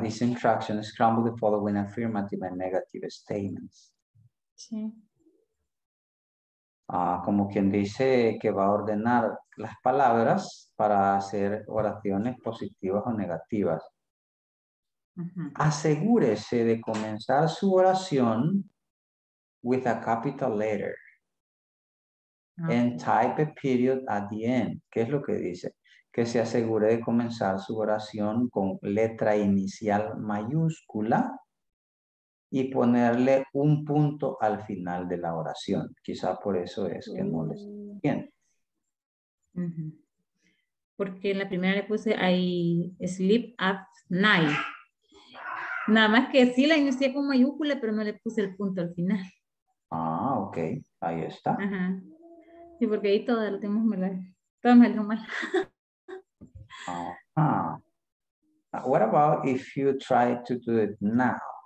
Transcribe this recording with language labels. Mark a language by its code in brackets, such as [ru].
[en] This instruction scramble the following affirmative and negative statements. [es] Sí. Ah, como quien dice que va a ordenar las palabras para hacer oraciones positivas o negativas. Uh-huh. Asegúrese de comenzar su oración [en] with a capital letter. Okay. And type a period at the end. [es] ¿Qué es lo que dice? Que se asegure de comenzar su oración con letra inicial mayúscula y ponerle un punto al final de la oración. Quizá por eso es que no les entiende. Porque en la primera le puse [en] I sleep at night. [es] Nada más que sí la inicié con mayúscula, pero no le puse el punto al final. Ah, ok. Ahí está. Ajá. Sí, porque ahí todo lo tenemos mal. Todo me lo mal. Ah. [en] What about if you try to do it now?